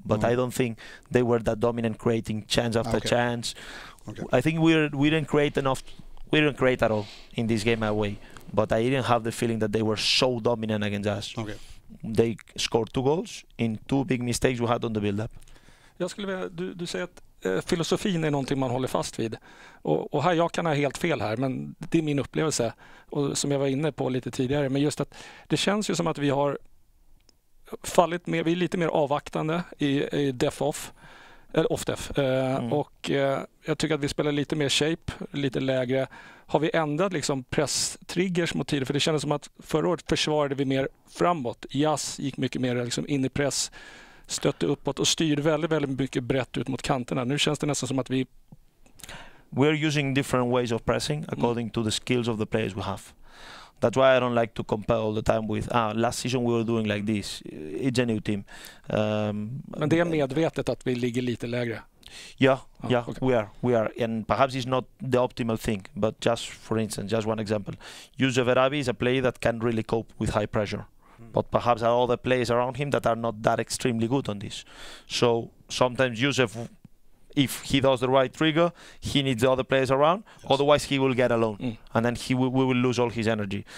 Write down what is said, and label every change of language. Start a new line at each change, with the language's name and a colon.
English: But I don't think they were that dominant creating chance after chance. Okay. I think we didn't create enough. We didn't create at all in this game away. But I didn't have the feeling that they were so dominant against us. Okay. They scored two goals in two big mistakes we had on the build-up.
Swedish: Jag skulle vilja, du säger att filosofin är någonting man håller fast vid. Och här, jag kan ha helt fel här, men det är min upplevelse. Och som jag var inne på lite tidigare. Men just att det känns ju som att vi har fallit mer. Vi är lite mer avvaktande i def-off. Eller off-def. Och jag tycker att vi spelar lite mer shape, lite lägre. Har vi ändrat liksom press-triggers mot tiden? För det kändes som att förra året försvarade vi mer framåt. Jazz gick mycket mer liksom in i press, stötte uppåt och styrde väldigt, väldigt mycket brett ut mot kanterna. Nu känns det nästan som att vi...
English: We're using different ways of pressing according to the skills of the players we have. That's why I don't like to compare all the time with last season we were doing like this. It's a new team.
Swedish: Men det är medvetet att vi ligger lite lägre.
English: We are, and perhaps it's not the optimal thing, but just for instance, just one example. Youssef Erabi is a player that can really cope with high pressure, but perhaps are all the players around him that are not that extremely good on this. So sometimes Youssef, if he does the right trigger, he needs the other players around, otherwise he will get alone, and then we will lose all his energy.